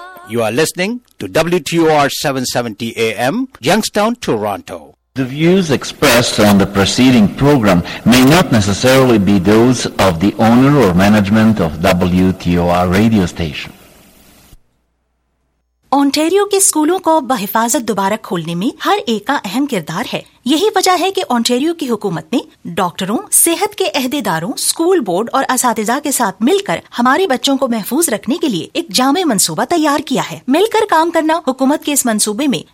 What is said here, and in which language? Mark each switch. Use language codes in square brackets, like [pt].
[en] You are listening to WTOR 770 AM Youngstown Toronto The views expressed on the preceding program may not necessarily be those of the owner or management of WTOR radio station. [ur] Ontario کے سکولوں کو بحفاظت دوبارہ کھولنے میں ہر ایک کا اہم کردار ہے یہی وجہ ہے کہ اونٹیریو کی حکومت نے ڈاکٹروں صحت کے عہدیداروں سکول بورڈ اور اساتذہ کے ساتھ مل کر ہمارے بچوں کو محفوظ رکھنے کے لیے ایک جامع منصوبہ تیار کیا ہے مل کر کام کرنا حکومت کے اس منصوبے میں